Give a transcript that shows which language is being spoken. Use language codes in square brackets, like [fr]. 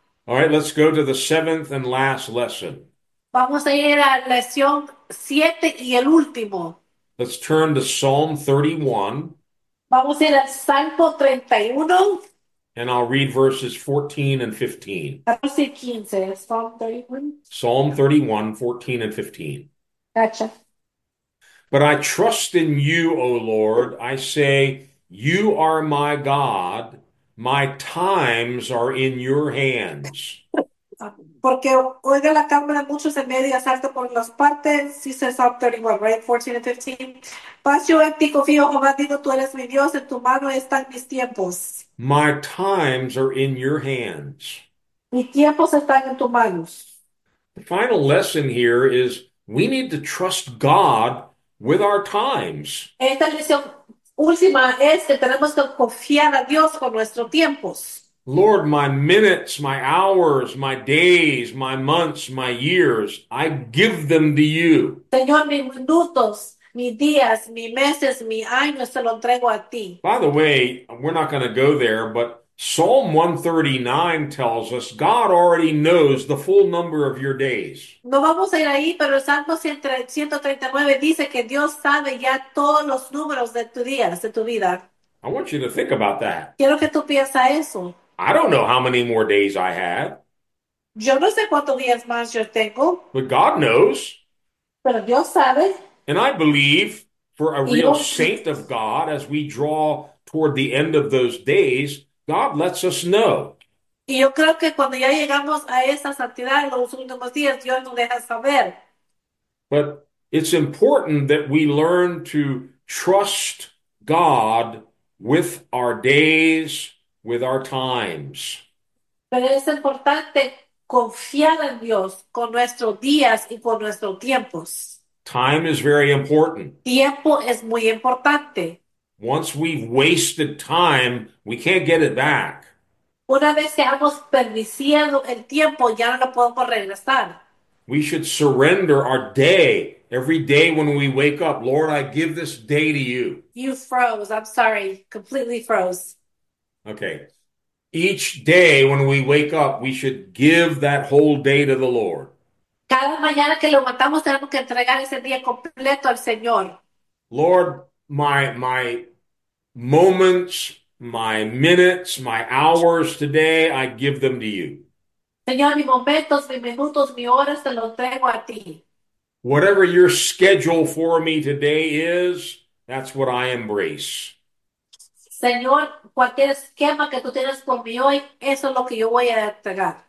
[en] All right, let's go to the seventh and last lesson. [es] Vamos a ir a la lección 7 y el último. [en] Let's turn to Psalm 31. [es] Vamos a ir al Salmo 31. [en] And I'll read verses 14 and 15. [es] 14 y 15, Psalm 31. [en] Psalm 31, 14 and 15. Gotcha. But I trust in you, O Lord. I say, you are my God. My times are in your hands. [es] Porque oiga la cámara, muchos en medio asalto por las partes, dice el Psalm 31, [en] right? 14 and 15. [es] Paz yo en ti confío, Jehová, digo, tú eres mi Dios, en tu mano están mis tiempos. [en] My times are in your hands. [es] Mis tiempos están en tus manos. [en] The final lesson here is we need to trust God with our times. [es] Esta lección última es que tenemos que confiar a Dios con nuestros tiempos. [en] Lord, my minutes, my hours, my days, my months, my years, I give them to you. [es] Señor, mis minutos, mis días, mis meses, mis años, se lo entrego a ti. [en] By the way, we're not going to go there, but Psalm 139 tells us God already knows the full number of your days. [es] No vamos a ir ahí, pero el Salmo 139 dice que Dios sabe ya todos los números de tu día, de tu vida. [en] I want you to think about that. [es] Quiero que tú pienses eso. [en] I don't know how many more days I have, [es] Yo no sé cuántos días más yo tengo. [en] but God knows. [es] Pero Dios sabe. [en] And I believe for a [es] Y [en] real saint of God, as we draw toward the end of those days, God lets us know. [es] creo que cuando ya llegamos a esa santidad en los últimos días, Dios nos deja saber. [en] But it's important that we learn to trust God with our days, with our times. [es] Pero es importante confiar en Dios con nuestros días y con nuestros tiempos. [en] Time is very important. [es] Tiempo es muy importante. [en] Once we've wasted time, we can't get it back. [es] Una vez que hemos perdido el tiempo, ya no lo podemos regresar. [en] We should surrender our day. Every day when we wake up, Lord, I give this day to you. You froze. I'm sorry. Completely froze. Okay. Each day when we wake up, we should give that whole day to the Lord. [es] Cada mañana que lo matamos, tenemos que entregar ese día completo al Señor. [en] Lord, my moments, my minutes, my hours today, I give them to you. [es] Señor, mis momentos, mis minutos, mis horas, te lo entrego a ti. [en] Whatever your schedule for me today is, that's what I embrace. [es] Señor, cualquier esquema que tú tienes por mí hoy, eso es lo que yo voy a entregar.